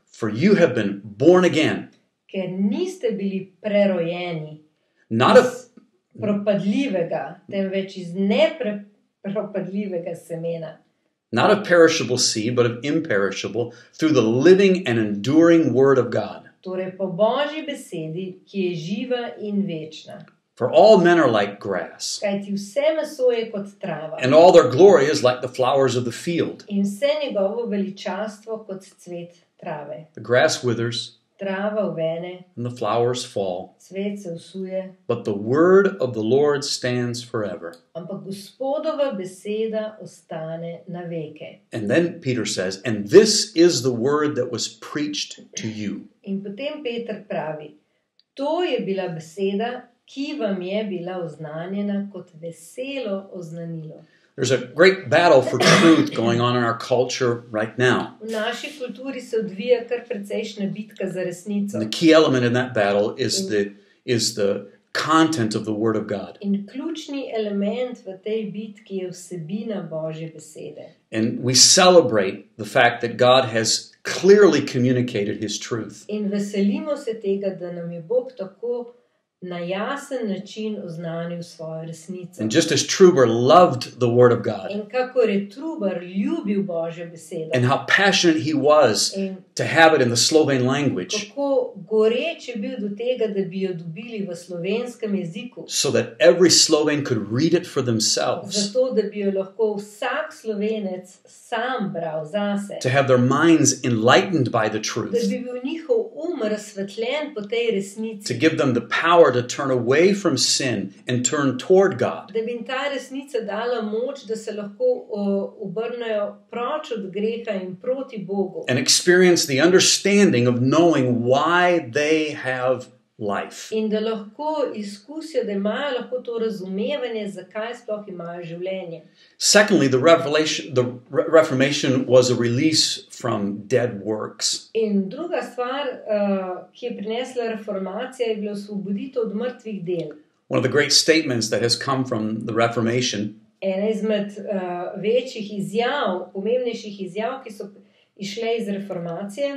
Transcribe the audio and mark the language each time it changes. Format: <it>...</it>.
<en>For you have been born again.</en> <sl>Ker niste bili prerojeni</sl> <en>not</en> <sl>iz propadljivega, temveč iz nepropadljivega semena.</sl> <en>Not of perishable seed, but of imperishable, through the living and enduring word of God.</en> <sl>Torej po Božji besedi, ki je živa in večna.</sl> <en>For all men are like grass.</en> <sl>Kajti vse meso je kot trava.</sl> <en>And all their glory is like the flowers of the field.</en> <sl>In vse njegovo veličastvo kot cvet trave.</sl> <en>The grass withers.</en> <sl>Trava uvene.</sl> <en>And the flowers fall.</en> <sl>Cvet se usuje.</sl> <en>But the word of the Lord stands forever.</en> <sl>Ampak Gospodova beseda ostane na veke.</sl> <en>And then Peter says, and this is the word that was preached to you.</en> <sl>In potem Peter pravi, to je bila beseda, ki vam je bila oznanjena kot veselo oznanilo.</sl> <en>There's a great battle for truth going on in our culture right now.</en> <sl>V naši kulturi se odvija kar precejšnja bitka za resnico.</sl> <en>And the key element in that battle is the content of the word of God.</en> <sl>In ključni element v tej bitki je vsebina Božje besede.</sl> <en>And we celebrate the fact that God has clearly communicated his truth.</en> <sl>In veselimo se tega, da nam je Bog tako na jasen način oznanil svojo resnico.</sl> <en>And just as Truber loved the word of God.</en> <sl>In kakor je Truber ljubil Božjo besedo.</sl> <en>And how passionate he was to have it in the Slovene language.</en> <sl>Kako goreč je bil do tega, da bi jo dobili v slovenskem jeziku.</sl> <en>So that every Slovene could read it for themselves.</en> <sl>Zato, da bi jo lahko vsak Slovenec sam bral zase.</sl> <en>To have their minds enlightened by the truth.</en> <sl>Da bi bil njihov um razsvetljen po tej resnici.</sl> <en>To give them the power to turn away from sin and turn toward God.</en> <sl>Da bi ta resnica dala moč, da se lahko obrnejo proč od greha in proti Bogu.</sl> <en>And experience the understanding of knowing why they have life.</en> <sl>In da lahko izkusijo, da imajo lahko to razumevanje, zakaj sploh imajo življenje.</sl> <en>Secondly, the Reformation was a release from dead works.</en> <sl>In druga stvar, ki je prinesla reformacija, je bila osvoboditev od mrtvih del.</sl> <en>One of the great statements that has come from the Reformation,</en> <sl>ena izmed večjih izjav, pomembnejših izjav, ki so išle iz reformacije,</sl>